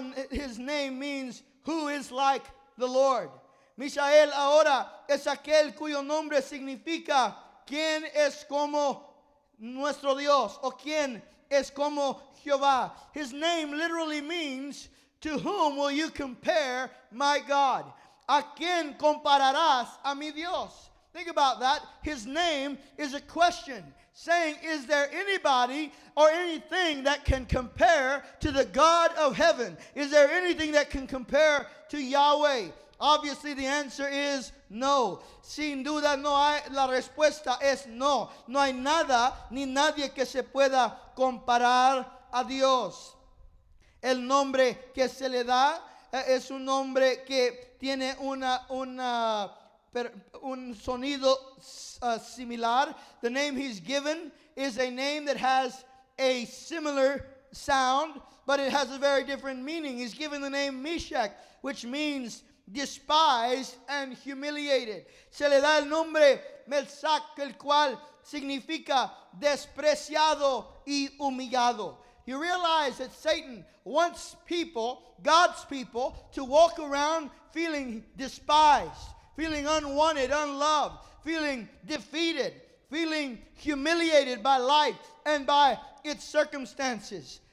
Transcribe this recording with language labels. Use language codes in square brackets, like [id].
[en] His name means who is like the Lord. [es] Mishael ahora es aquel cuyo nombre significa quién es como nuestro Dios o quién es como Jehová. [en] His name literally means, to whom will you compare my God? [es] ¿A quién compararás a mi Dios? [en] Think about that. His name is a question saying, is there anybody or anything that can compare to the God of heaven? Is there anything that can compare to Yahweh? Obviously, the answer is no. [es] Sin duda, no hay. La respuesta es no. No hay nada ni nadie que se pueda comparar a Dios. El nombre que se le da es un nombre que tiene un sonido similar. [en] The name he's given is a name that has a similar sound, but it has a very different meaning. He's given the name Meshach, which means despised and humiliated. [es] Se le da el nombre Meshach, el cual significa despreciado y humillado. [en] You realize that Satan wants people, God's people, to walk around feeling despised, feeling unwanted, unloved, feeling defeated, feeling humiliated by life and by its circumstances.